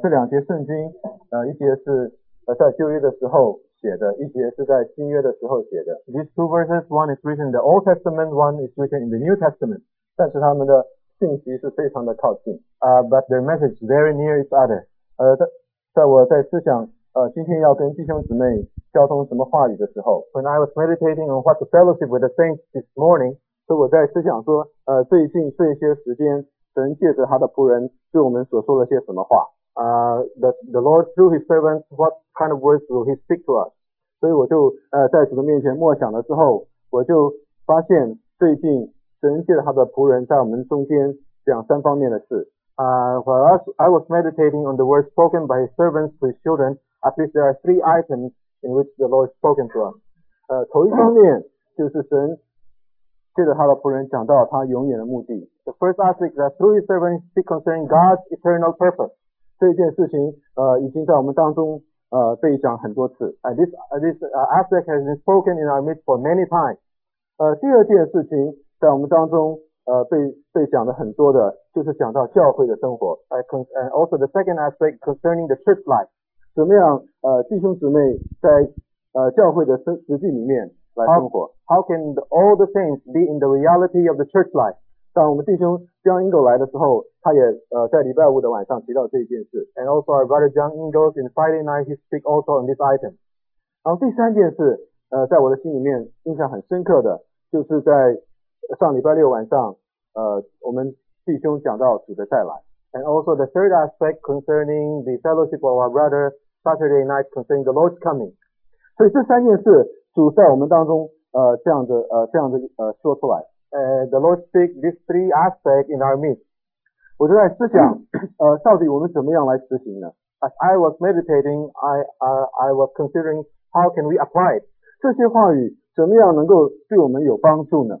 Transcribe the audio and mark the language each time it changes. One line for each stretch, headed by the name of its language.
Chinese: 这两节圣经一节是在旧约的时候写的，一节是在新约的时候写的。
English: These two verses, one is written in the Old Testament, one is written in the New Testament.
Chinese: 但是他们的信息是非常的靠近。
English: But their message is very near each other.
Chinese: 在我在思想今天要跟弟兄姊妹交通什么话语的时候。
English: When I was meditating on what to fellowship with the saints this morning,
Chinese: 所以我在思想说最近这些时间神借着他的仆人对我们所说了些什么话。
English: The Lord through his servants, what kind of words will he speak to us?
Chinese: 所以我就在主的面前默想了之后，我就发现最近神借着他的仆人在我们中间讲三方面的事。
English: While I was meditating on the words spoken by his servants to his children, at least there are three items in which the Lord spoken to us.
Chinese: 头一方面就是神借着他的仆人讲到他永远的目的。
English: The first aspect that through his servant speak concerning God's eternal purpose.
Chinese: 这件事情已经在我们当中被讲很多次。
English: This aspect has been spoken in our midst for many times.
Chinese: 第二件事情在我们当中被讲的很多的，就是讲到教会的生活。
English: And also the second aspect concerning the church life.
Chinese: 怎么样弟兄姊妹在教会的实际里面。
English: How can all the saints be in the reality of the church life?
Chinese: 当我们弟兄 John Ingle 来的时候，他也在礼拜五的晚上提到这一件事。
English: And also our brother John Ingle in Friday night he speak also on this item.
Chinese: 然后第三件事在我的心里面印象很深刻的，就是在上礼拜六晚上我们弟兄讲到主的再来。
English: And also the third aspect concerning the fellowship of our brother Saturday night concerning the Lord's coming.
Chinese: 所以这三件事主在我们当中这样子说出来。
English: The Lord speak these three aspects in our midst.
Chinese: 我就在思想到底我们怎么样来执行呢。
English: As I was meditating, I was considering how can we apply it.
Chinese: 这些话语怎么样能够对我们有帮助呢。